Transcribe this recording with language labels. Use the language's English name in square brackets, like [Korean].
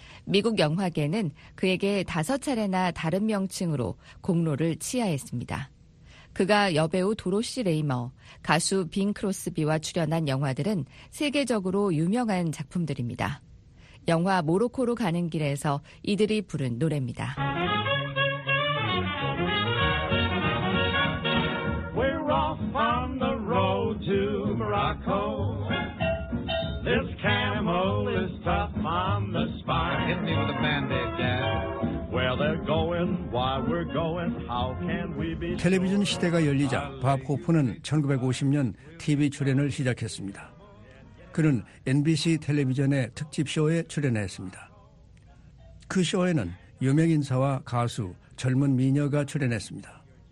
[Korean] 미국 영화계는 그에게 5차례나 다른 명칭으로 공로를 치하했습니다. 그가 여배우 도로시 레이머, 가수 빈 크로스비와 출연한 영화들은 세계적으로 유명한 작품들입니다. 영화 모로코로 가는 길에서 이들이 부른 노래입니다. [English] We're off on the road to Morocco. This camel is tough on the spine. Hit me with a band-aid, Dad. Where they're going, why we're going, how can we be... [Korean] 텔레비전 시대가 열리자 밥 호프는 1950년 TV 출연을 시작했습니다. 그는 NBC 텔레비전의 특집 쇼에 출연했습니다. 그 쇼에는 유명 인사와 가수, 젊은 미녀가 출연했습니다.